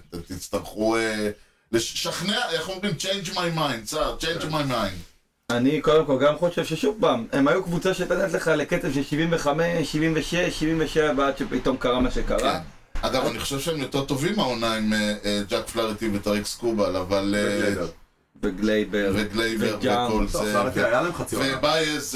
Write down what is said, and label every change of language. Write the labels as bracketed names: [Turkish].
[Hebrew] אתם תצטרכו לשכנע, איך אומרים? [English] Change my mind, צער, change my mind. [Hebrew] אני קודם כל גם חושב ששוב פעם, הם היו קבוצה שתנת לך לקצב של 75, 76, 77 ועד שפתאום קרה מה שקרה. אגב, אני חושב שהם יותר טובים מהעונה עם ג'ק פלארטי וטריק סקובל, אבל... וגלייבר. וגלייבר וכל זה. ובייז...